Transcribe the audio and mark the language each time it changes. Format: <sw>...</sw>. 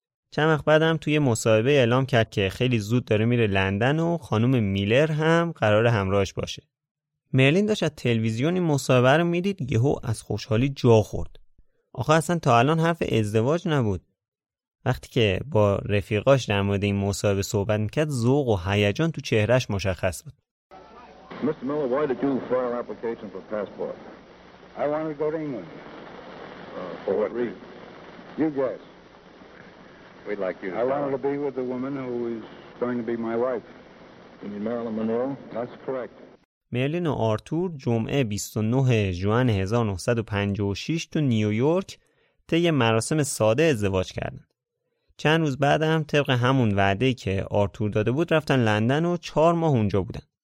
<fa>چند وقت بعدم توی مصاحبه اعلام کرد که خیلی زود داره میره لندن و خانم میلر هم قرار همراهش باشه. میلین داشت از تلویزیون این مصاحبه رو میدید، یهو از خوشحالی جا خورد. آخه اصلا تا الان حرف ازدواج نبود. وقتی که با رفیقاش در مورد این مصاحبه صحبت میکرد، ذوق و هیجان تو چهرهش مشخص بود.</fa> <en>Mister Miller, why did you file application for passport? I wanted to go to England. For what reason? You guess. We'd like you to. I wanted to be with the woman who is going to be my wife. You mean Marilyn Monroe? That's correct.</en> <fa>میلین و آرتور جمعه 29 ژوئن 1956 تو نیویورک طی مراسم ساده ازدواج کردند. چند روز بعد هم طبق همون وعده‌ای که آرتور داده بود رفتن لندن و 4 ماه اونجا بودن.</fa>